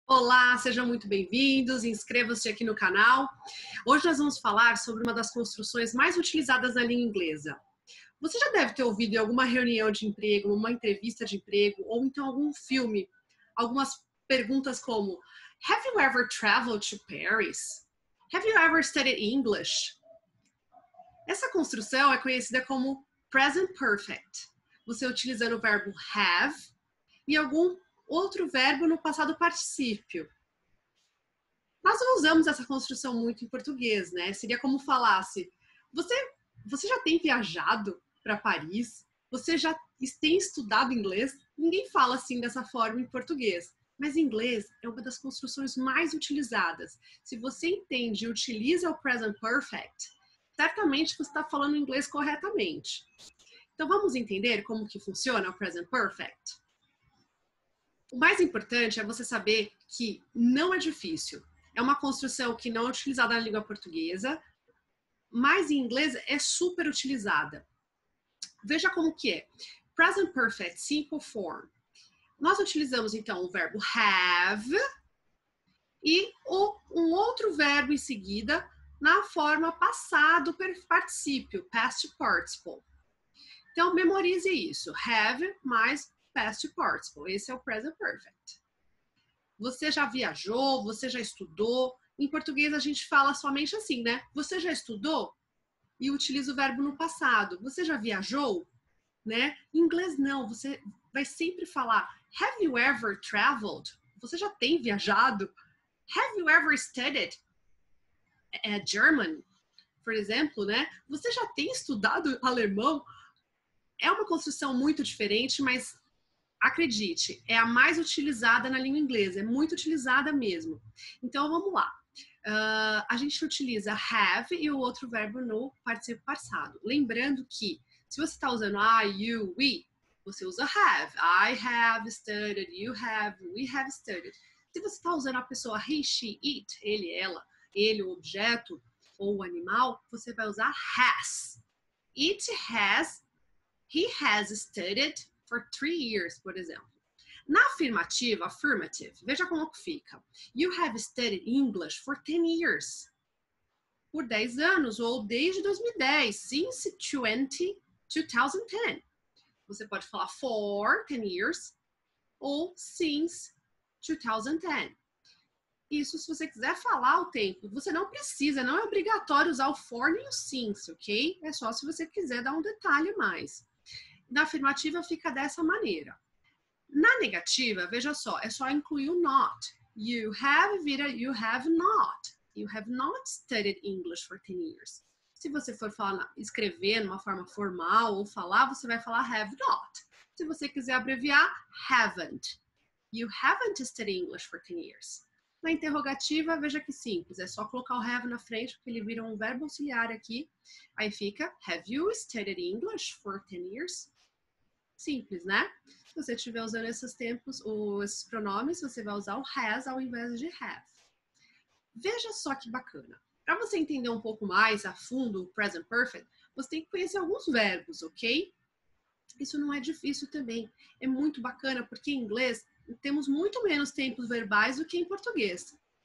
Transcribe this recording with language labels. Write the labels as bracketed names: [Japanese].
[Portuguese] Olá, sejam muito bem-vindos, inscrevam-se aqui no canal. Hoje nós vamos falar sobre uma das construções mais utilizadas na língua inglesa. Você já deve ter ouvido em alguma reunião de emprego, uma entrevista de emprego, ou então algum filme, algumas perguntas como [English] Have you ever traveled to Paris? Have you ever studied English? [Portuguese] Essa construção é conhecida como present perfect. Você utilizando o verbo have e algum outro verbo no passado particípio. Nós não usamos essa construção muito em português, né? Seria como falasse, você já tem viajado para Paris? Você já tem estudado inglês? Ninguém fala assim dessa forma em português. Mas inglês é uma das construções mais utilizadas. Se você entende e utiliza o present perfect, certamente você está falando inglês corretamente. Então vamos entender como que funciona o present perfect? O mais importante é você saber que não é difícil. É uma construção que não é utilizada na língua portuguesa, mas em inglês é super utilizada. Veja como que é. [English] Present perfect, simple form. [Portuguese] Nós utilizamos, então, o verbo have e um outro verbo em seguida na forma passado participio, past participle. Então, memorize isso. Have mais past participle. Esse é o present perfect. Você já viajou? Você já estudou? Em português a gente fala somente assim, né? Você já estudou? E utiliza o verbo no passado. Você já viajou? Né? Em inglês não. Você vai sempre falar [English] Have you ever traveled? [Portuguese] Você já tem viajado? [English] Have you ever studied German? [Portuguese] Por exemplo, né? Você já tem estudado alemão? É uma construção muito diferente, mas acredite, é a mais utilizada na língua inglesa, é muito utilizada mesmo. Então, vamos lá. A gente utiliza have e o outro verbo no participio passado. Lembrando que, se você está usando I, you, we, você usa have. [English] I have studied, you have, we have studied. [Portuguese] Se você está usando a pessoa he, she, it, ele, ela, ele, o objeto ou o animal, você vai usar has. [English] It has, he has studied for 3 years, [Portuguese] por exemplo. Na afirmativa, [English] affirmative, [Portuguese] veja como que fica. [English] You have studied English for 10 years. [Portuguese] Por 10 anos, ou desde 2010, [English] since 2010. [Portuguese] Você pode falar [English] for 10 years, [Portuguese] ou [English] since 2010. [Portuguese] Isso se você quiser falar o tempo. Você não precisa, não é obrigatório usar o for nem o since, ok? É só se você quiser dar um detalhe mais. Na afirmativa fica dessa maneira. Na negativa, veja só, é só incluir o not. [English] You have, vira, you have not. You have not studied English for 10 years. [Portuguese] Se você for escrever numa forma formal ou falar, você vai falar have not. Se você quiser abreviar, haven't. [English] You haven't studied English for 10 years. [Portuguese] Na interrogativa, veja que simples, é só colocar o have na frente, porque ele vira um verbo auxiliar aqui. Aí fica, [English] have you studied English for 10 years? [Portuguese] Simples, né? Se você estiver usando esses tempos, os pronomes, você vai usar o has ao invés de have. Veja só que bacana. Para você entender um pouco mais a fundo o present perfect, você tem que conhecer alguns verbos, ok? Isso não é difícil também. É muito bacana, porque em inglês, temos muito menos tempos verbais do que em português.